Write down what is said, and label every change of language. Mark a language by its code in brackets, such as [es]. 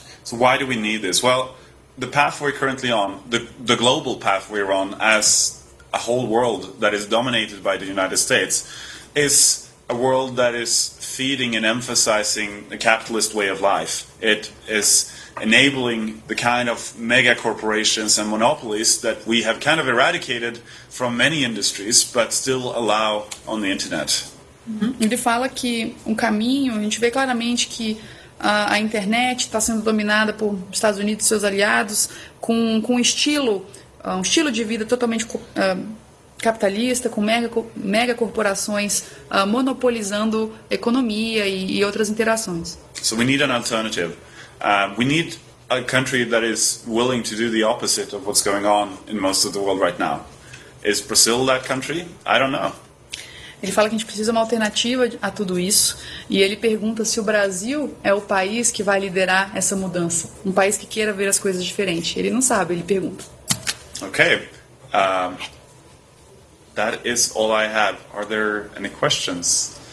[en] So why do we need this? Well, the path we're currently on, the global path we're on as a whole world that is dominated by the United States, is a world that is feeding and emphasizing the capitalist way of life. It is enabling the kind of mega corporations and monopolies that we have kind of eradicated from many industries, but still allow on the internet. [pt] Uhum. Ele fala que um caminho, a gente vê claramente que a internet está sendo dominada por Estados Unidos e seus aliados, com um estilo de vida totalmente capitalista, com mega corporações monopolizando economia e outras interações. [en] So we need an alternative. We need a country that is willing to do the opposite of what's going on in most of the world right now. Is Brazil that country? I don't know. [pt] Ele fala que a gente precisa de uma alternativa a tudo isso, e ele pergunta se o Brasil é o país que vai liderar essa mudança, um país que queira ver as coisas diferente. Ele não sabe, ele pergunta. [en] Okay. That is all I have. Are there any questions?